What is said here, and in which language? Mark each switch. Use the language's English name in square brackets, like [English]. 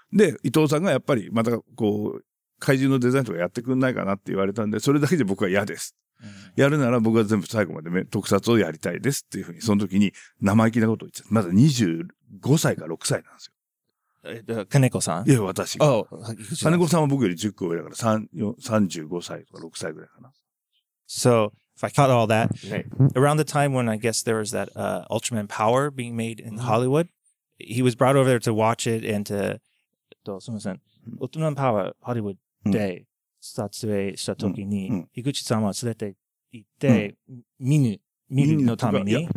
[Japanese] で、伊藤さんがやっぱり、またこう、怪獣のデザインとかやってくんないかなって言われたんで、それだけで僕は嫌です。やるなら僕は全部最後まで特撮をやりたいですっていうふうに、その時に生意気なことを言っちゃった。まだ25歳か6歳なんですよ。金子さん？いや、私が。 [English] Oh, [Japanese] 金子さんは僕より10個上だから35歳とか6歳ぐらいかな。 [English] So, if I caught all that, around the time when I guess there was that, Ultraman Power being made in Hollywood, he was brought over there to watch it and to, [Japanese] すみません。 [English] Ultraman Power Hollywood Day。 [Japanese] 撮影したときに、樋口さんは連れて行って、見ぬのために